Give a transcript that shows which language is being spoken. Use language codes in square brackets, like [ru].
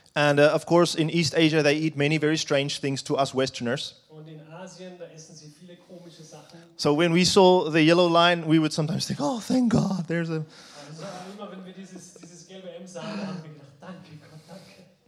[en] And of course, in East Asia, they eat many very strange things to us Westerners. [de] Und in Asien, da essen sie viele komische Sachen. [en] So when we saw the yellow line, we would sometimes think, oh, thank God, there's a... [de] Also immer wenn wir dieses gelbe M sahen, haben wir gedacht, danke, Gott, danke.